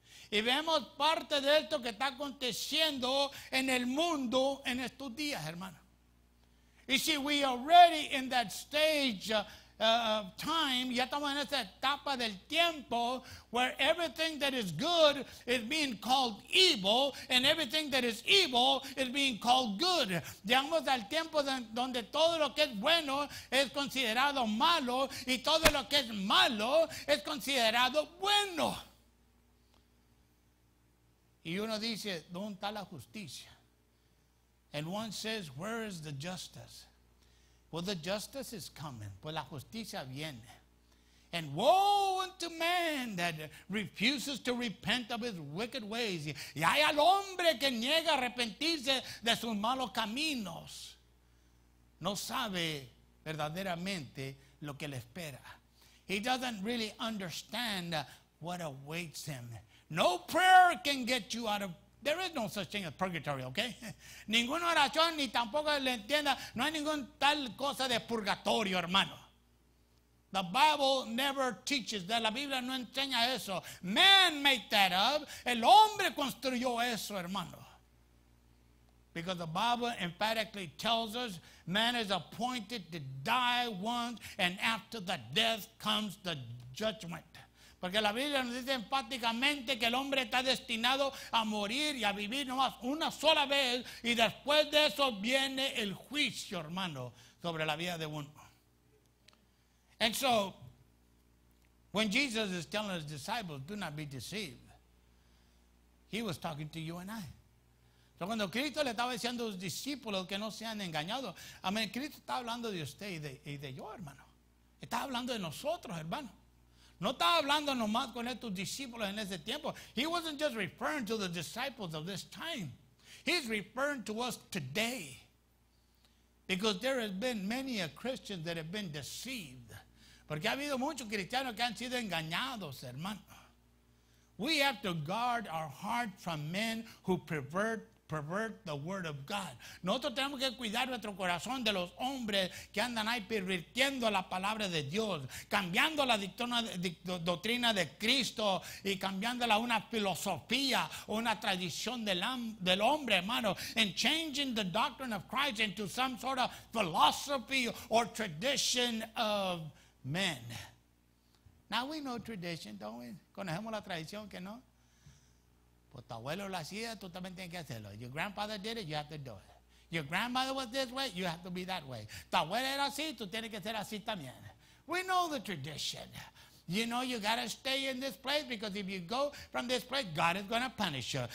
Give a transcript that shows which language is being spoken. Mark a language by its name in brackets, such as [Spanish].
[Spanish] Y vemos parte de esto que está aconteciendo en el mundo en estos días, hermano. [English] You see, we are already in that stage of time. [Spanish] Ya estamos en esa etapa del tiempo [English] where everything that is good is being called evil and everything that is evil is being called good. [Spanish] Llegamos al tiempo donde todo lo que es bueno es considerado malo y todo lo que es malo es considerado bueno. Y uno dice, ¿dónde está la justicia? [English] And one says, where is the justice? Well, the justice is coming. [Spanish] Pues la justicia viene. [English] And woe unto man that refuses to repent of his wicked ways. [Spanish] Y hay al hombre que niega arrepentirse de sus malos caminos. No sabe verdaderamente lo que le espera. [English] He doesn't really understand what awaits him. No prayer can get you out of, there is no such thing as purgatory, okay? [Spanish] Ninguna oración ni tampoco le entienda, no hay ningún tal cosa de purgatorio, hermano. [English] The Bible never teaches that. [Spanish] La Biblia no enseña eso. [English] Man made that up. [Spanish] El hombre construyó eso, hermano. [English] Because the Bible emphatically tells us man is appointed to die once and after the death comes the judgment. [Spanish] Porque la Biblia nos dice enfáticamente que el hombre está destinado a morir y a vivir nomás una sola vez y después de eso viene el juicio, hermano, sobre la vida de uno. [English] And so, when Jesus is telling his disciples, do not be deceived, he was talking to you and I. [Spanish] So cuando Cristo le estaba diciendo a sus discípulos que no sean engañados, amén, Cristo está hablando de usted y de yo, hermano. Está hablando de nosotros, hermano. No estaba hablando nomás con estos discípulos en ese tiempo. [English] He wasn't just referring to the disciples of this time. He's referring to us today. Because there has been many a Christian that have been deceived. [Spanish] Porque ha habido muchos cristianos que han sido engañados, hermano. [English] We have to guard our heart from men who pervert the word of God. [Spanish] Nosotros tenemos que cuidar nuestro corazón de los hombres que andan ahí pervirtiendo la palabra de Dios, cambiando la doctrina de Cristo y cambiándola a una filosofía o una tradición del hombre, hermano, [English] and changing the doctrine of Christ into some sort of philosophy or tradition of men. Now we know tradition, don't we? [Spanish] Conocemos la tradición, ¿que no? Pues tu abuelo lo hacía, tú también tienes que hacerlo. [English] Your grandfather did it, you have to do it. Your grandmother was this way, you have to be that way. [Spanish] Tu abuelo era así, tú tienes que ser así también. [English] We know the tradition. You know you got to stay in this place because if you go from this place, God is going to punish you.